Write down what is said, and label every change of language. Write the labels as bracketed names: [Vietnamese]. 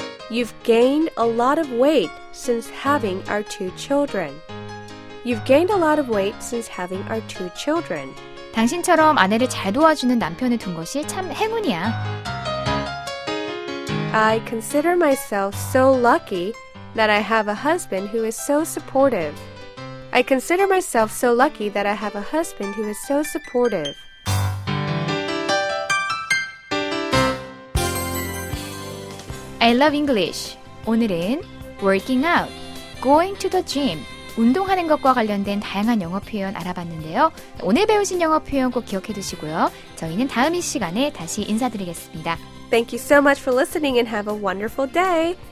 [English] You've gained a lot of weight since having our two children. You've gained a lot of weight since having our two children. [Korean] 당신처럼 아내를 잘 도와주는 남편을 둔 것이 참 행운이야. [English] I consider myself so lucky that I have a husband who is so supportive. I consider myself so lucky that I have a husband who is so supportive. 'I love English.' [Korean] 오늘은 [English] working out, going to the gym, [Korean] 운동하는 것과 관련된 다양한 영어 표현 알아봤는데요. 오늘 배우신 영어 표현 꼭 기억해 두시고요. 저희는 다음 이 시간에 다시 인사드리겠습니다. [English] Thank you so much for listening and have a wonderful day.